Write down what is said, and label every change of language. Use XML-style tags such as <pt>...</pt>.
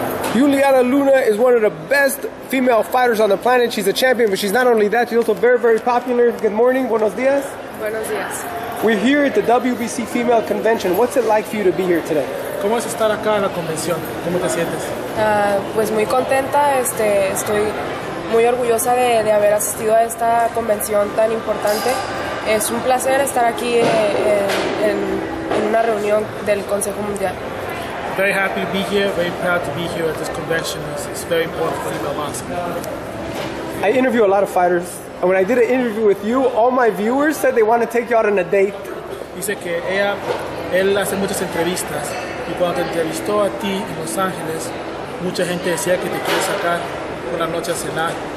<en>Yulihan Luna is one of the best female fighters on the planet. She's a champion, but she's not only that, she's also very, very popular. Good morning. Buenos dias.</en> <es>Buenos dias.</es> <en>We're here at the WBC Female Convention. What's it like for you to be here today?</en> <es>¿Cómo es estar acá en la convención? ¿Cómo te sientes? Pues muy contenta. Estoy muy orgullosa de haber asistido a esta convención tan importante. Es un placer estar aquí en una reunión del Consejo Mundial.</es> <en>Very happy to be here, very proud to be here at this convention. It's very important for female boxing. I interview a lot of fighters, and when I did an interview with you, all my viewers said they want to take you out on a date.</en> <es>Dice que él hace muchas entrevistas, y cuando te entrevistó a ti en Los Ángeles, mucha gente decía que te quiere sacar una noche a cenar.</es>